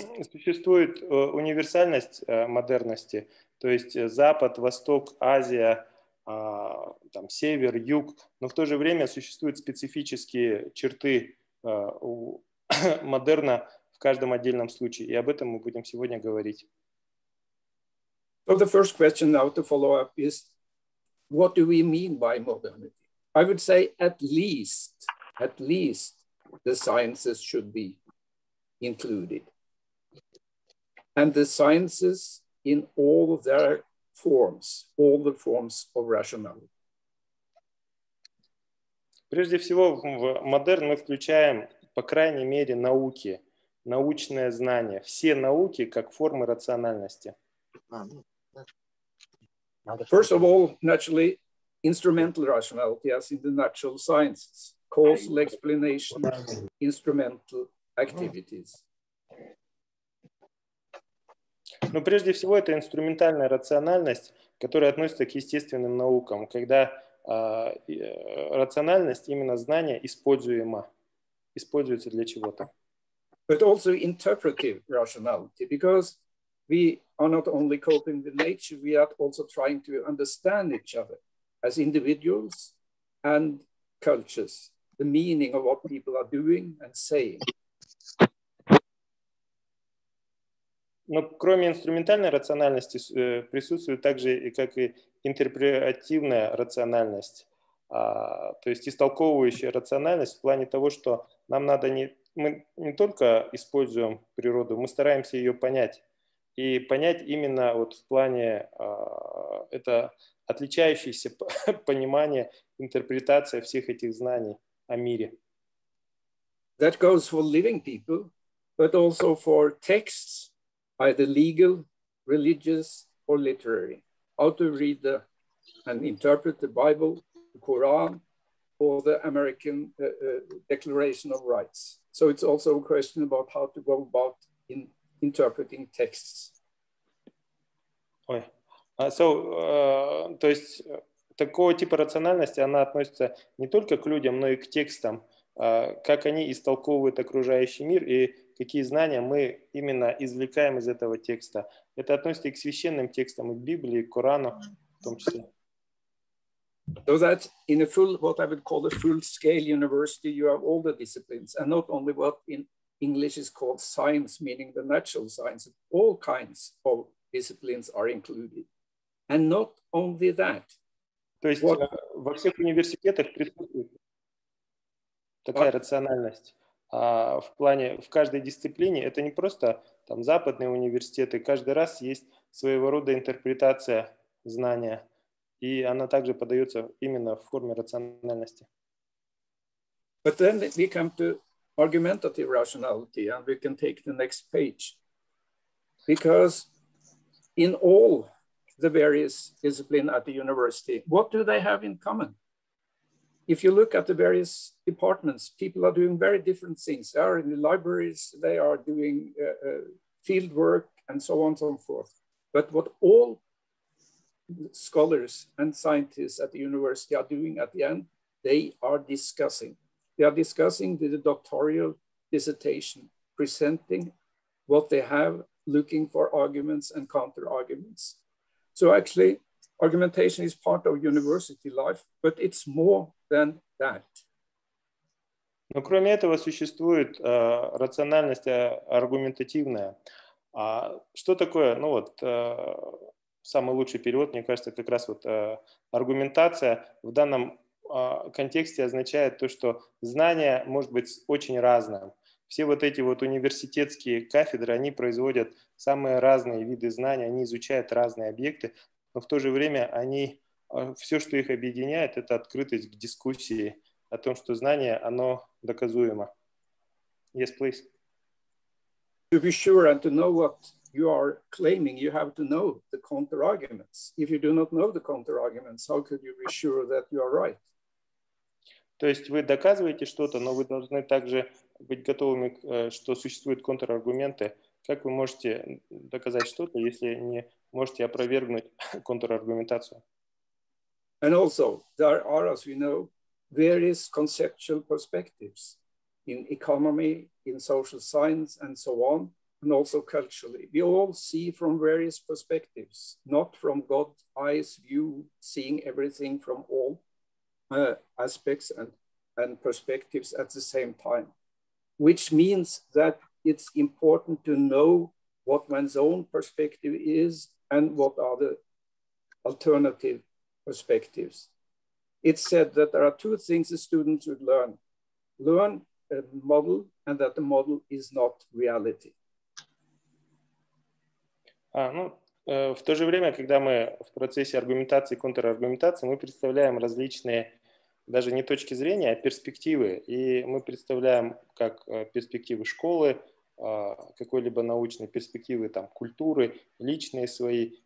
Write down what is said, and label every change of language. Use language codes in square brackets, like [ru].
[ru] Существует универсальность модерности, то есть Запад, Восток, Азия, там, Север, Юг, но в то же время существуют специфические черты модерна в каждом отдельном случае, и об этом мы будем сегодня говорить. [en] So the first question now to follow up is, what do we mean by modernity? I would say at least the sciences should be included. And the sciences in all of their forms, all the forms of rationality. [ru] Прежде всего, в модерн мы включаем, по крайней мере, науки, научное знание, все науки как формы рациональности. [en] First of all, naturally, instrumental rationality, as in the natural sciences, causal explanations, instrumental activities. [ru] Но прежде всего это инструментальная рациональность, которая относится к естественным наукам, когда рациональность, именно знание, используема, используется для чего-то. [en] But also interpretive rationality, because we are not only coping with nature, we are also trying to understand each other as individuals and cultures, the meaning of what people are doing and saying. [ru] Но кроме инструментальной рациональности присутствует также и как и интерпретативная рациональность, то есть истолковывающая рациональность в плане того, что нам надо не, мы не только используем природу, мы стараемся ее понять. И понять именно вот в плане это отличающееся понимание, интерпретация всех этих знаний о мире. [en] That goes for living people, but also for texts. Either legal, religious, or literary. How to read the and interpret the Bible, the Quran, or the American Declaration of Rights. So it's also a question about how to go about in interpreting texts. [ru] Ой. То есть такого типа рациональности, она относится не только к людям, но и к текстам, как они истолковывают окружающий мир и какие знания мы именно извлекаем из этого текста. Это относится и к священным текстам, и к Библии, и к Корану в том числе. [en] So that in a full, what I would call a full-scale university, you have all the disciplines, and not only what in English is called science, meaning the natural science, all kinds of disciplines are included. And not only that. [ru] То есть [en] what... [ru] во всех университетах присутствует такая [en] what? [ru] Рациональность. А в плане, в каждой дисциплине, это не просто там западные университеты, каждый раз есть своего рода интерпретация знания. И она также подается именно в форме рациональности. [en] But then we come to argumentative rationality, and we can take the next page. Because in all the various disciplines at the university, what do they have in common? If you look at the various departments, people are doing very different things. They are in the libraries, they are doing field work, and so on and so forth. But what all scholars and scientists at the university are doing at the end, they are discussing. They are discussing the doctoral dissertation, presenting what they have, looking for arguments and counter arguments. So actually, argumentation is part of university life, but it's more than that. [ru] Но кроме этого существует рациональность аргументативная. А что такое? Ну вот. Самый лучший перевод, мне кажется, как раз вот аргументация в данном контексте означает то, что знание может быть очень разным. Все вот эти вот университетские кафедры, они производят самые разные виды знания, они изучают разные объекты, но в то же время они, все, что их объединяет, это открытость к дискуссии о том, что знание, оно доказуемо. [en] Yes, please. To be sure and to know what you are claiming, you have to know the counter-arguments. If you do not know the counter-arguments, how could you be sure that you are right? [ru] То есть вы доказываете что-то, но вы должны также быть готовыми, что существуют контраргументы. Как вы можете доказать что-то, если не можете опровергнуть контраргументацию? [en] And also, there are, as we know, various conceptual perspectives in economy, in social science, and so on. And also culturally, we all see from various perspectives, not from God's eyes view, seeing everything from all aspects and perspectives at the same time, which means that it's important to know what one's own perspective is and what are the alternative perspectives. It's said that there are two things the students would learn. Learn a model and that the model is not reality. [ru] В то же время, когда мы в процессе аргументации и контраргументации, мы представляем различные, даже не точки зрения, а перспективы. И мы представляем как перспективы школы, какой-либо научной, перспективы там, культуры, личные свои.